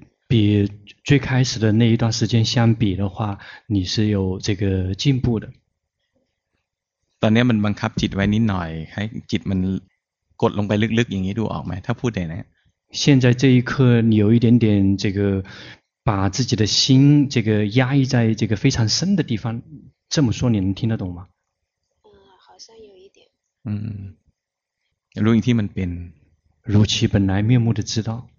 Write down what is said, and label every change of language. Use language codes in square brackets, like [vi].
[zh] 比最开始的那一段时间相比的话你是有这个进步的 [th] ตอนนี้มันบังคับจิตไว้นิดหน่อยให้จิตมันกดลงไปลึกๆอย่างนี้ดูออกไหมถ้าพูดได้นะ [zh] 现在这一刻你有一点点这个把自己的心这个压抑在这个非常深的地方这么说你能听得懂吗好像有一点 [th] รู้อีกที่มันเป็น [zh] 如其本来面目的知道